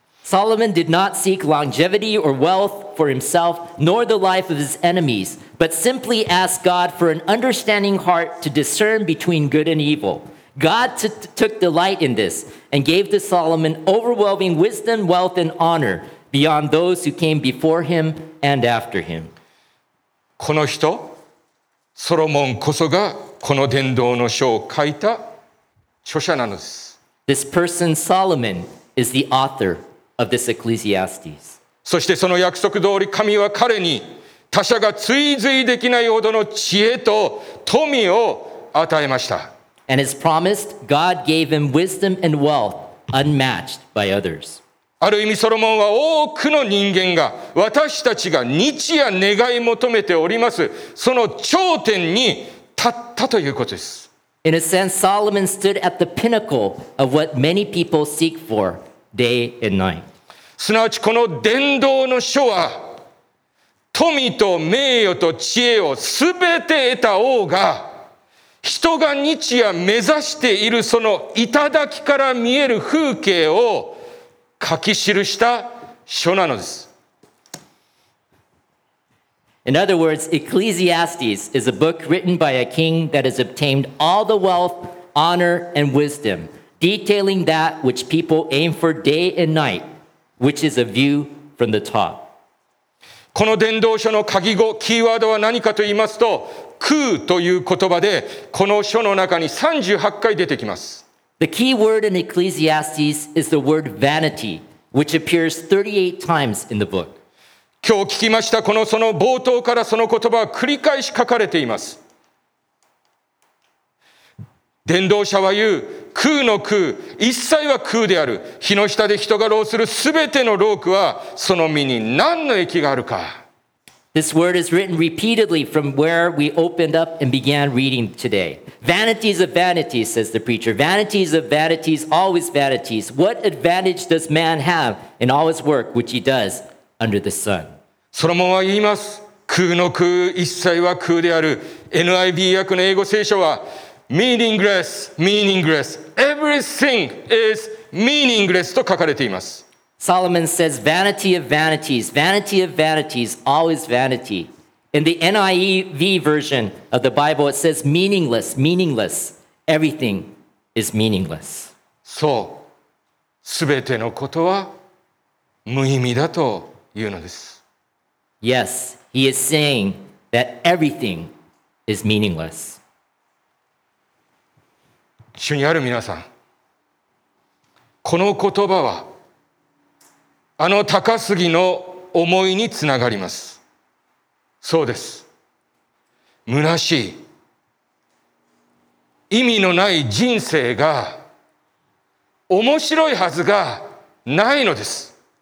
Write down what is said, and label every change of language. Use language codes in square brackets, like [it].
[en] Solomon did not seek longevity or wealth for himself, nor the life of his enemies, but simply asked God for an understanding heart to discern between good and evil. God took delight in this and gave to Solomon overwhelming wisdom, wealth, and honor beyond those who came before him and after him. [ja] この人、ソロモンこそがこの伝道の書を書いた著者なのです。 [en] This person, Solomon, is the author. Of this Ecclesiastes. [ja] そしてその約束通り神は彼に他者が追随できないほどの知恵と富を与えました。 [en] And as promised, God gave him wisdom and wealth unmatched by others. [ja] ある意味ソロモンは多くの人間が私たちが日夜願い求めております。その頂点に立ったということです。 [en] In a sense, Solomon stood at the pinnacle of what many people seek for. Day and night. [ja] すなわちこの伝道の書は富と名誉と知恵をすべて得た王が人が日夜目指しているその頂から見える風景を書き記した書なのです。 [en] In other words, Ecclesiastes is a book written by a king that has obtained all the wealth, honor, and wisdom. Detailing that which people aim for day and night, which is a view from the top. [ja] この伝道書の鍵語、キーワードは何かと言いますと、空という言葉で、この書の中に38回出てきます。 [en] The key word in Ecclesiastes is the word vanity, which appears 38 times in the book. [ja] 今日聞きました、このその冒頭からその言葉は繰り返し書かれています。伝道者は言う、空の空、一切は空である。日の下で人が労するすべての労苦は、その身に何の益があるか。 [en] This word is written repeatedly from where we opened up and began reading today. Vanities of vanities, says the preacher. Vanities of vanities, always vanities. What advantage does man have in all his work which he does under the sun? [ja] ソロモンは言います。空の空、一切は空である。NIV 訳の英語聖書は、 [en] Meaningless, meaningless. Everything is meaningless [ja] と書かれています。 [en] Solomon says, vanity of vanities, vanity of vanities, always vanity. In the NIV version of the Bible, it says, meaningless, meaningless. Everything is meaningless. [ja] そう、すべてのことは無意味だというのです。 [en] Yes, he is saying that everything is meaningless. [ja] 主にある皆さん、この言葉はあの高杉の思いにつながります。そうです、虚しい意味のない人生が面白いはずがないのです。